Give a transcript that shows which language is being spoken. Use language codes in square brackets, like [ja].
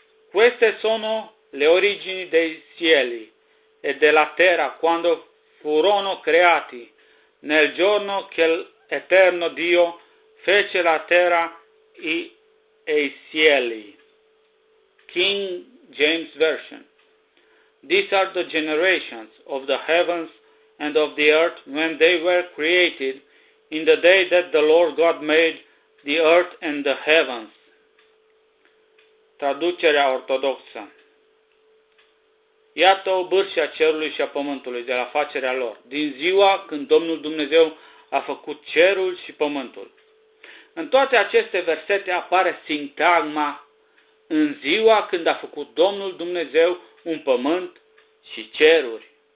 [it] Queste sono le origini dei cieli e della terra quando furono creati nel giorno che l'Eterno Dio fece la terra e i cieli. [en] King James Version. These are the generations of the heavens and of the earth when they were created in the day that the Lord God made the earth and the heavens. [ro] Traducerea ortodoxă. Iată obârșia cerului și a pământului de la facerea lor, din ziua când Domnul Dumnezeu a făcut cerul și pământul. În toate aceste versete apare sintagma în ziua când a făcut Domnul Dumnezeu un pământ și ceruri.